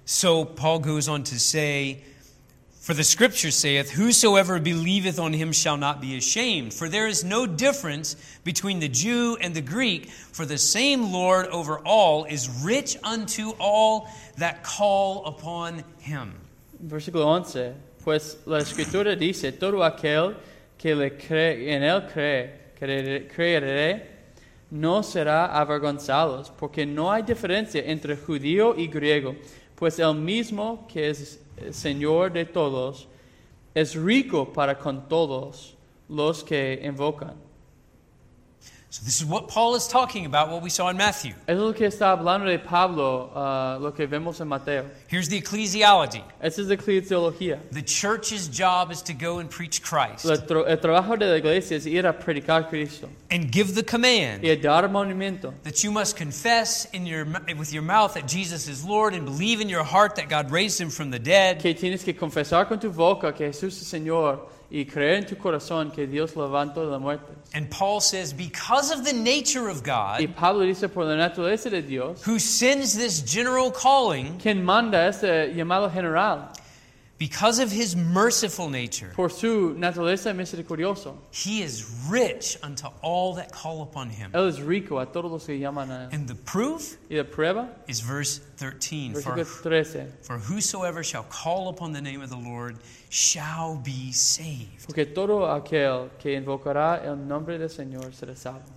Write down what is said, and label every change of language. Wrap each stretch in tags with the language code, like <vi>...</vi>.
<en>So Paul goes on to say, for the scripture saith, whosoever believeth on him shall not be ashamed. For there is no difference between the Jew and the Greek. For the same Lord over all is rich unto all that call upon him.</en> <es>Versículo 11. Pues la escritura dice, todo aquel que le cree, en él creeré, no será avergonzado. Porque no hay diferencia entre judío y griego. Pues el mismo que es Señor de todos, es rico para con todos los que invocan.</es> <en>So this is what Paul is talking about, what we saw in Matthew.</en> <es>Eso es lo que está hablando de Pablo, lo que vemos en Mateo.</es> <en>Here's the ecclesiology.</en> <es>Esa es la ecclesiología.</es> <en>The church's job is to go and preach Christ.</en> <es>El trabajo de la iglesia es ir a predicar Cristo.</es> <en>And give the command.</en> <es>Y dar el mandamiento.</es> <en>That you must confess with your mouth that Jesus is Lord and believe in your heart that God raised him from the dead.</en> <es>Que tienes que confesar con tu boca que Jesús es Señor. Y creer en tu corazón que Dios levantó de la muerte.</es> <en>And Paul says, because of the nature of God,</en> <es>y Pablo dice, por la naturaleza de Dios,</es> <en>who sends this general calling,</en> <es>quien manda este llamado general,</es> <en>because of his merciful nature,</en> <es>por su naturaleza misericordioso,</es> <en>he is rich unto all that call upon him.</en> <es>Él es rico a todos los que llaman a él.</es> <en>And the proof,</en> <es>y la prueba,</es> <en>is verse 13.</en> <es>Versículo 13.</es> <en>For whosoever shall call upon the name of the Lord shall be saved.</en> <es>Porque todo aquel que invocará el nombre del Señor será salvo.</es>